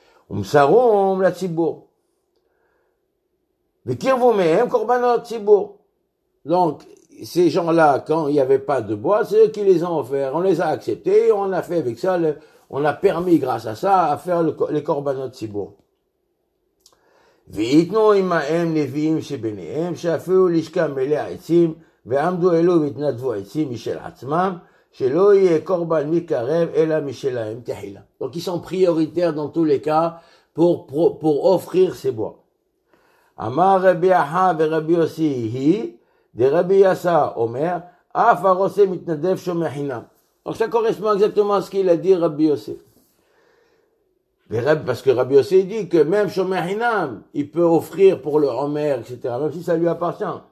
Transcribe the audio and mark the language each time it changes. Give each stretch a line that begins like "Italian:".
French: Umsarom, la Tibour. Vekirvou, Mehem, Korbanot, Tibour. Donc, ces gens-là, quand il n'y avait pas de bois, c'est eux qui les ont offerts. On les a acceptés, on a fait avec ça, on a permis, grâce à ça, à faire les Korbanot, Tibour.
Hebrew: ויתנו עמהם נביאים שביניהם שאפילו לשכם מלא עצים ועמדו אלו והתנדבו עצים משל עצמם שלא יהיה קורבן מקרב אלא משלהם תחילה.
French: Donc ils sont prioritaires dans tous les cas pour offrir ces bois.
Hebrew: אמר רבי אחא ורבי יוסי היא דרבי יסא אומר אף הרוסה מתנדב שומר חינם.
French: Donc ça correspond exactement à ce qu'il a dit רבי יוסי. Parce que Rabbi Yossi dit que même Shomer Hinam, il peut offrir pour le Homer, etc., même si ça lui appartient.